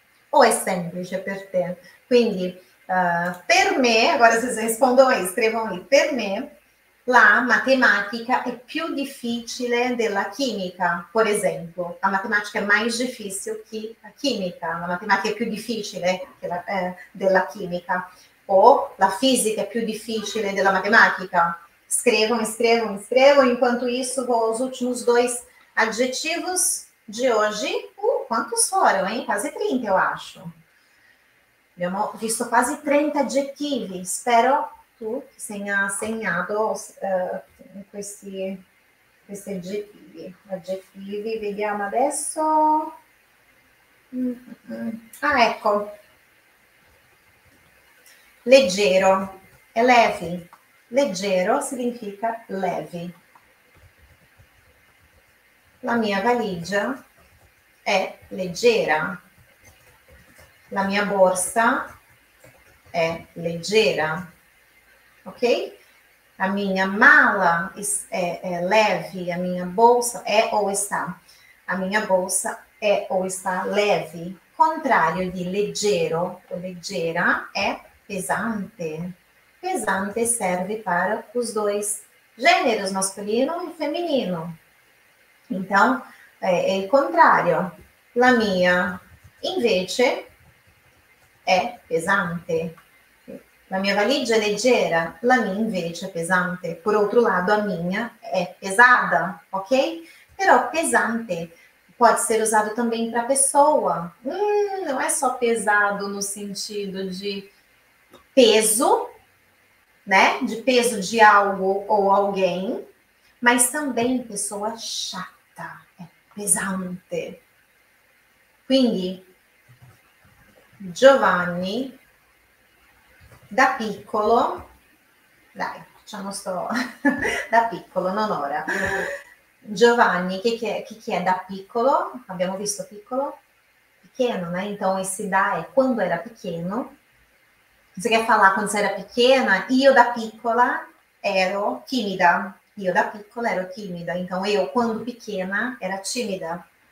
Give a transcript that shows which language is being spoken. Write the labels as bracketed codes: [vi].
[it] O è semplice per te? Quindi, per me, [pt] agora vocês [it] rispondono aí, scrivono aí, per me la matematica è più difficile della chimica, per esempio. La matematica è più difficile che la chimica. La matematica è più difficile della chimica. O la fisica è più difficile della matematica. Scrivo, scrivo, scrivo. [pt] Enquanto isso, vou aos últimos dois adjetivos de hoje. Quantos foram, hein? Quase 30, eu acho. [it] Abbiamo visto quasi 30 adjetivi. Spero. Tu sei segnato questi aggettivi. Aggettivi, vediamo adesso. Ah, ecco. Leggero. È leve. Leggero significa leve. La mia valigia è leggera. La mia borsa è leggera. Ok? [pt] A minha mala è leve, a minha bolsa è ou está. A minha bolsa è ou está leve. [it] Contrario di leggero o leggera è pesante. [pt] Pesante serve para os dois gêneros, masculino e femminile. [it] Então, è il contrario. La mia invece è pesante. La mia valigia è leggera, la mia invece è pesante. Per altro lato, la mia è pesata, ok? [pt] Però pesante pode ser usado também para pessoa. Não é só pesado no sentido de peso, né? De peso de algo ou alguém, mas também pessoa chata, é pesante. [it] Quindi, Giovanni da piccolo, dai, facciamo sto da piccolo, non ora. Giovanni, che è da piccolo? Abbiamo visto piccolo? [pt] Pequeno, né? Então, esse da è quando era pequeno. Você quer falar quando você era pequena? [it] Io da piccola ero timida. Io da piccola ero timida. [pt] Então, eu, quando pequena, era timida.